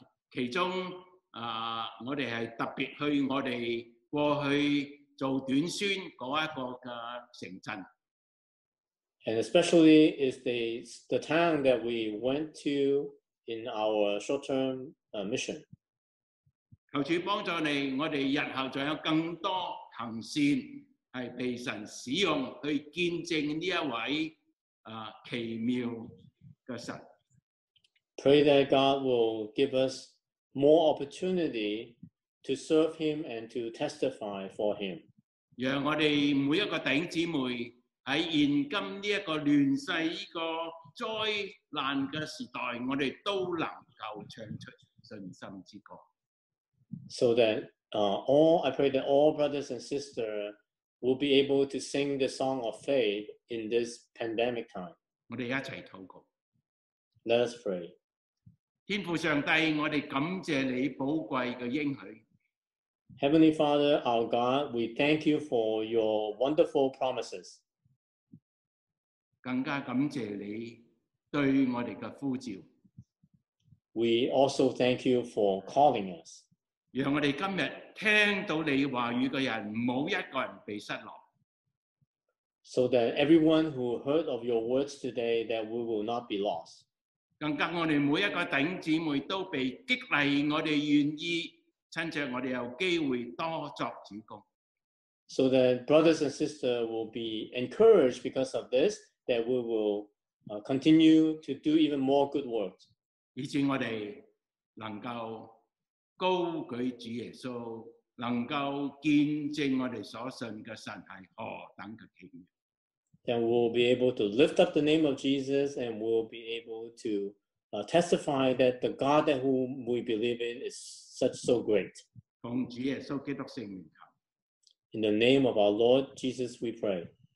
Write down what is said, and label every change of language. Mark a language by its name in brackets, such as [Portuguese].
[Cantonese] 其中我哋系特别去我哋过去做短宣嗰一個嘅城鎮。 [English] And especially is the town that we went to in our short-term mission. [Cantonese] 求主幫助你，我哋日後仲有更多行善係被神使用去見證呢一位奇妙嘅神。 [English] Pray that God will give us more opportunity to serve Him and to testify for Him. [Cantonese] 讓我哋每一個弟兄姊妹在現今這個亂世、這個災難的時代，我們都能夠唱出信心之歌。 [English] So that, I pray that all brothers and sisters will be able to sing the song of faith in this pandemic time. [Cantonese] 我們一起禱告。 [English] Let us pray. [Cantonese] 天父上帝，我們感謝你寶貴的應許。 [English] Heavenly Father, our God, we thank you for your wonderful promises. [Cantonese] 更加感謝你對我們的呼召。 [English] We also thank you for calling us. [Cantonese] 讓我們今天聽到你話語的人，不要一個人被失落。 [English] So that everyone who heard of your words today, that we will not be lost. [Cantonese] 更加我們每一個弟兄姊妹都被激勵，我們願意趁著我們有機會多作主工。 [English] So that brothers and sisters will be encouraged because of this. That we will continue to do even more good works. [Cantonese] 以致我們能夠高舉主耶穌，能夠見證我們所信的神是何等的奇妙。 [English] That we'll be able to lift up the name of Jesus and we'll be able to testify that the God that whom we believe in is such so great. [Cantonese] 奉主耶穌基督聖名求。 [English] In the name of our Lord Jesus, we pray.